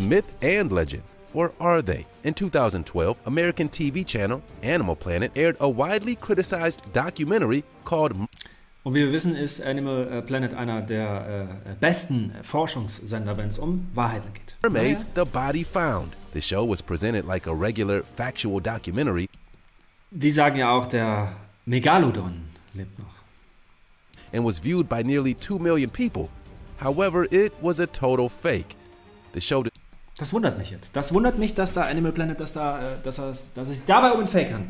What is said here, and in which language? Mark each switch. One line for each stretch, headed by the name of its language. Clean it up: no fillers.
English: Myth and legend. Or are they? In 2012, American TV channel Animal Planet aired a widely criticized documentary called.
German: Und wie wir wissen, ist Animal Planet einer der besten Forschungssender, wenn es um Wahrheiten geht.
English: Mermaids, the body found. The show was presented like a regular factual documentary.
German: Die sagen ja auch, der Megalodon lebt noch.
English: And was viewed by nearly 2 million people. However, it was a total fake. The show.
German: Das wundert mich jetzt. Das wundert mich, dass da Animal Planet, dass ich dabei um einen Fake kann.